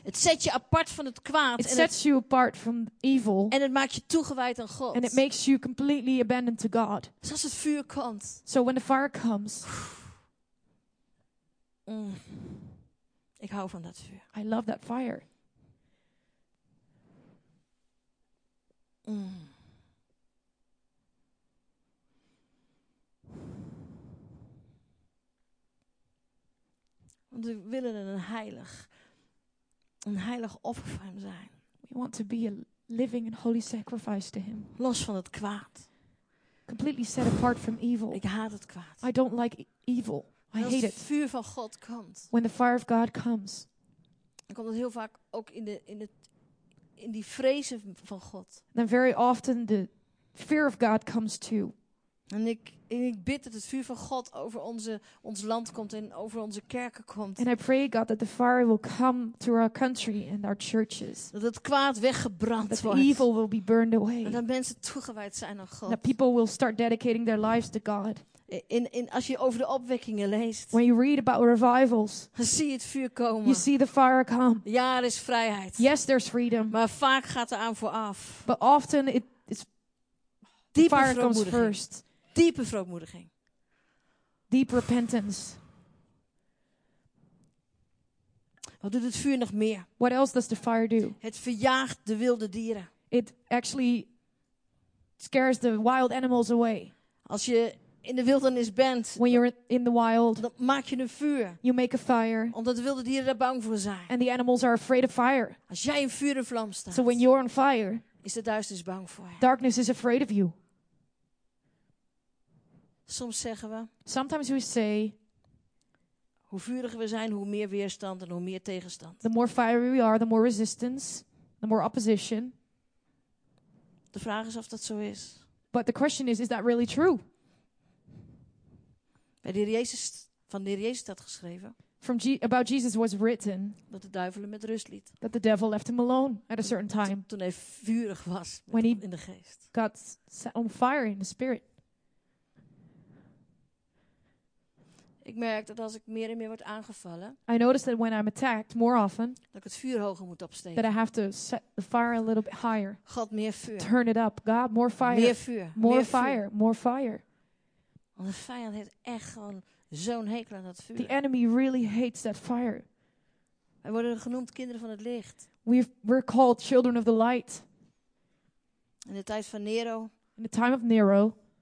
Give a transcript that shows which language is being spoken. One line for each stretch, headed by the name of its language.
Dutch: Het zet je apart van het kwaad.
English: It sets you apart from evil.
Dutch: En het maakt je toegewijd aan God.
English: And it makes you completely abandoned to God.
Dutch: Zoals het vuur komt.
English: So when the fire comes.
Dutch: Ik hou van dat vuur.
English: I love that fire.
Dutch: Want we willen een heilig offer voor hem zijn.
English: We want to be a living and holy sacrifice to him.
Dutch: Los van het kwaad.
English: Completely set apart from evil.
Dutch: Ik haat het kwaad.
English: I don't like evil. I hate it.
Dutch: Als het vuur van God komt.
English: When the fire of God comes.
Dutch: Dan komt het heel vaak ook in die vrezen van God.
English: Then very often the fear of God comes too.
Dutch: En ik bid dat het vuur van God over ons land komt en over onze kerken komt.
English: And I pray God that the fire will come through our country and our churches.
Dutch: Dat het kwaad weggebrand
English: that
Dutch: wordt.
English: That evil will be burned away.
Dutch: En dat mensen toegewijd zijn aan God.
English: That people will start dedicating their lives to God.
Dutch: In als je over de opwekkingen leest.
English: When you read about revivals.
Dutch: Dan zie je het vuur komen.
English: You see the fire come.
Dutch: Ja, er is vrijheid.
English: Yes, there's freedom.
Dutch: Maar vaak gaat er aan vooraf.
English: But often it's the fire comes first.
Dutch: Diepe verootmoediging.
English: Deep repentance.
Dutch: Wat doet het vuur nog meer?
English: What else does the fire do?
Dutch: Het verjaagt de wilde dieren.
English: It actually scares the wild animals away.
Dutch: Als je in de wildernis bent.
English: When you're in the wild.
Dutch: Dan maak je een vuur.
English: You make a fire.
Dutch: Omdat de wilde dieren daar bang voor zijn.
English: And the animals are afraid of fire.
Dutch: Als jij in vuur en vlam staat.
English: So when you're on fire.
Dutch: Is de duisternis bang voor je.
English: Darkness is afraid of you.
Dutch: Soms zeggen we.
English: Sometimes we say.
Dutch: Hoe vuriger we zijn, hoe meer weerstand en hoe meer tegenstand.
English: The more fiery we are, the more resistance. The more opposition.
Dutch: De vraag is of dat zo is.
English: But the question is that really true?
Dutch: Van de Heer Jezus staat geschreven.
English: About Jesus was written.
Dutch: Dat de duivel hem met rust liet.
English: That the devil left him alone at a certain time.
Dutch: Toen hij vurig was in de geest.
English: When he got set on fire in the spirit.
Dutch: Ik merk dat als ik meer en meer word aangevallen.
English: I notice that when I'm attacked more often.
Dutch: Dat ik het vuur hoger moet opsteken.
English: That I have to set the fire a little bit higher.
Dutch: God, meer vuur.
English: Turn it up. God, more fire.
Dutch: Meer vuur.
English: More fire. More fire.
Dutch: Want de vijand heeft echt gewoon zo'n hekel aan dat vuur.
English: The enemy really hates that fire.
Dutch: Wij worden genoemd kinderen van het licht.
English: We're called children of the light.
Dutch: In de tijd van Nero.
English: In the time of Nero.